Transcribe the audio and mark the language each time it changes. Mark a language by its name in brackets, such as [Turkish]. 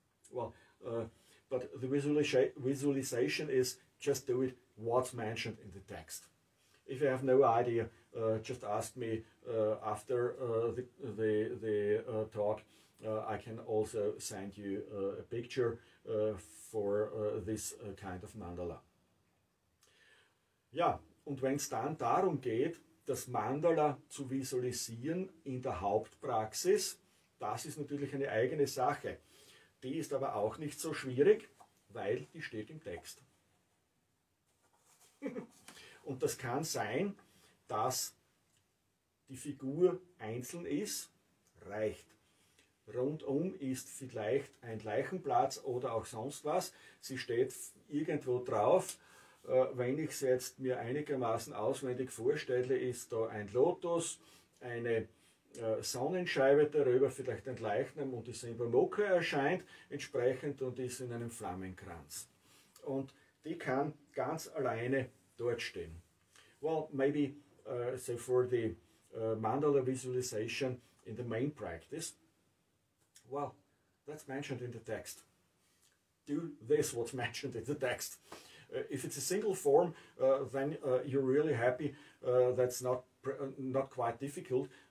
[English] Well, but the visualization is just do it what's mentioned in the text. If you have no idea, just ask me after the talk. I can also send you a picture for this kind of Mandala. [German] Ja, und wenn es dann darum geht, das Mandala zu visualisieren in der Hauptpraxis, das ist natürlich eine eigene Sache. Die ist aber auch nicht so schwierig, weil die steht im Text. Und das kann sein, dass die Figur einzeln ist, reicht. Rundum ist vielleicht ein Leichenplatz oder auch sonst was. Sie steht irgendwo drauf. Wenn ich es jetzt mir einigermaßen auswendig vorstelle, ist da ein Lotus, eine Sonnenscheibe darüber, vielleicht ein Leichnam und die Simbamoka erscheint entsprechend und ist in einem Flammenkranz. Und die kann ganz alleine dort stehen. [English] Well, maybe so for the Mandala visualization in the main practice. Well, that's mentioned in the text. Do this, what's mentioned in the text. If it's a single form, then you're really happy. That's not quite difficult.